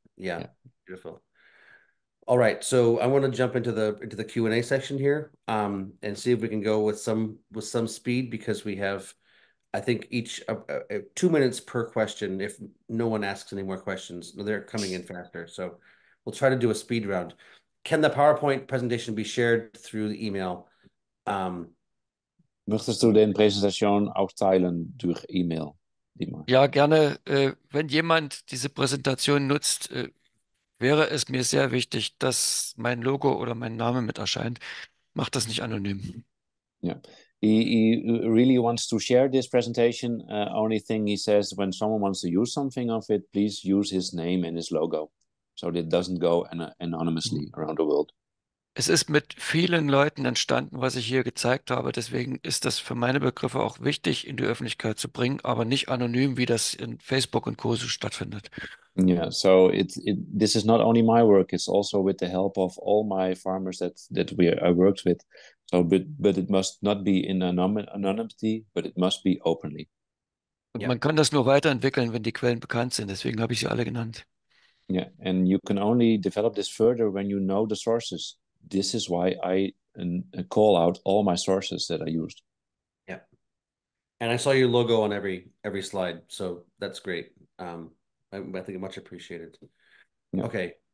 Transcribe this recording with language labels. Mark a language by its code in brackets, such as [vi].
[en] Yeah, beautiful. All right, so I want to jump into the Q&A section here, and see if we can go with some speed because we have, I think, each 2 minutes per question if no one asks any more questions. They're coming in faster, so We'll try to do a speed round. Can the PowerPoint presentation be shared through the email? [de] Möchtest du den Präsentation auch teilen durch E-Mail? Ja, gerne. Wenn jemand diese Präsentation nutzt, wäre es mir sehr wichtig, dass mein Logo oder mein Name mit erscheint. Mach das nicht anonym. Ja. [en] He really wants to share this presentation. Only thing he says, when someone wants to use something of it, please use his name and his logo, so that it doesn't go anonymously around the world. [de] Es ist mit vielen Leuten entstanden, was ich hier gezeigt habe. Deswegen ist das für meine Begriffe auch wichtig, in die Öffentlichkeit zu bringen, aber nicht anonym, wie das in Facebook und Co. so stattfindet. [en] Yeah, so this is not only my work, it's also with the help of all my farmers that I worked with. So, but it must not be in anonymity, but it must be openly. [de] Und [en] yeah. [de] Man kann das nur weiterentwickeln, wenn die Quellen bekannt sind. Deswegen habe ich sie alle genannt. [en] Yeah, and you can only develop this further when you know the sources. This is why I call out all my sources that I used. Yeah. And I saw your logo on every slide, so that's great. I think much appreciated. Yeah. Okay.